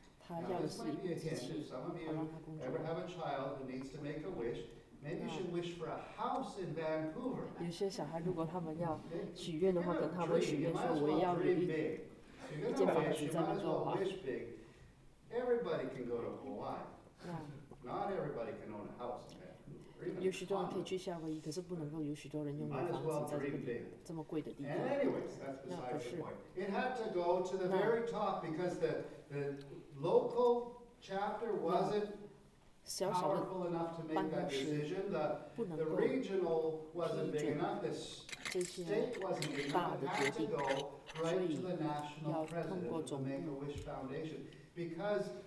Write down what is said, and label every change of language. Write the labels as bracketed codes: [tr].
[en] Now, this might be a hint. If some of you ever have a child who needs to make a wish, maybe you should wish for a house in Vancouver. Some children, if they want to wish, they might as well dream big. If you're going to wish, you might as well wish big. Everybody can go to Hawaii. Not everybody can own a house in Vancouver. [zh] 有许多人可以去夏威夷，可是不能够有许多人用房子在这个这么贵的地方。那不是。 [en] It had to go to the very top because the local chapter wasn't powerful enough to make that decision. The regional wasn't big enough. The state wasn't big enough. It had to go right to the national president to make a wish foundation because.